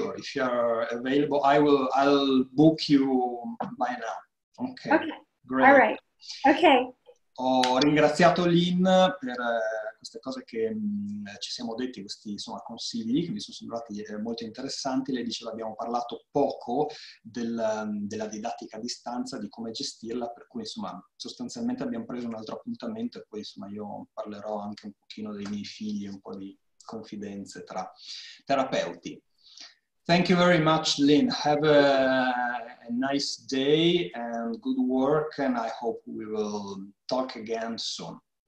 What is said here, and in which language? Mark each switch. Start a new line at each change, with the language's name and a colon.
English: Sure, if you are available, I'll book you by now. Okay. Great. All right. Okay.
Italian: Ho ringraziato Lynn per queste cose che ci siamo detti, questi insomma consigli che mi sono sembrati molto interessanti. Lei diceva abbiamo parlato poco della didattica a distanza, di come gestirla, per cui insomma sostanzialmente abbiamo preso un altro appuntamento e poi insomma io parlerò anche un pochino dei miei figli, un po' di confidenze tra terapeuti.
English: Thank you very much, Lynn. Have a nice day and good work, and I hope we will talk again soon.